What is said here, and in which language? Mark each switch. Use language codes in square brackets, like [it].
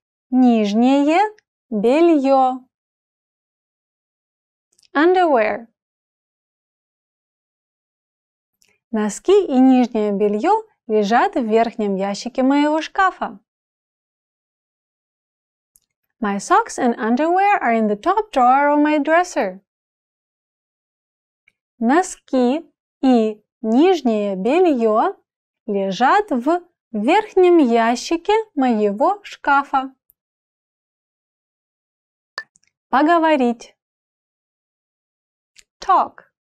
[ru] Нижнее белье. [en] Underwear. [ru] Носки и нижнее белье лежат в верхнем ящике моего шкафа. [en] My socks and underwear are in the top drawer of my dresser. [ru] Носки и нижнее белье лежат в верхнем ящике моего шкафа. Поговорить. [en] Talk.